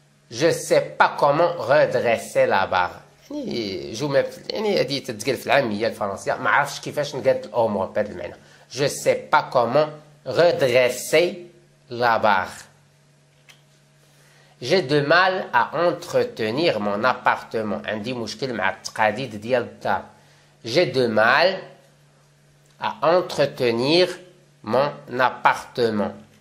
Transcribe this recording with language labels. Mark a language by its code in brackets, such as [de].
[fr] Je sais pas comment redresser la barre. [ar] يعني جو يعني هادي تتقال في العاميه الفرنسيه ما عرفتش كيفاش نقاد الامور بهذا المعنى. [fr] Je sais pas comment redresser la barre. J'ai du mal à entretenir mon appartement. [ar] عندي مشكل مع التقاديد ديال الدار. [fr] J'ai du mal à entretenir mon appartement.